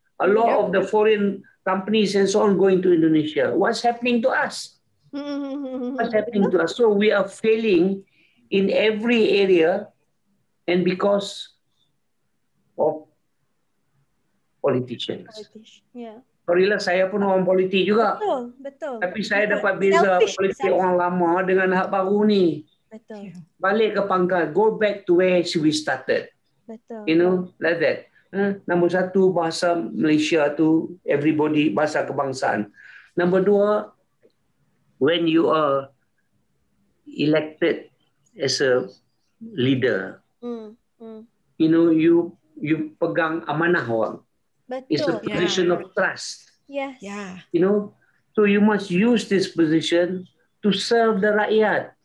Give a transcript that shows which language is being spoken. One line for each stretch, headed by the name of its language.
English: A lot of the foreign companies and so on going to Indonesia. What's happening to us? So we are failing in every area, and because of politicians.
Malay: Sorry lah, saya pun orang politik juga. Betul. Tapi saya dapat beza politik orang lama dengan hak baru ni. Betul. Balik ke pangkal.
English: Go back to where we started.
Malay: Betul.
English: You know, like that.
Malay: Nombor satu, bahasa Malaysia tu, everybody, bahasa kebangsaan. Nombor dua,
English: when you are elected as a leader, you know, you
Malay: pegang amanah orang. Betul.
English: It's a position of trust. Yes. Yeah. You know, so you must use this position to serve the rakyat.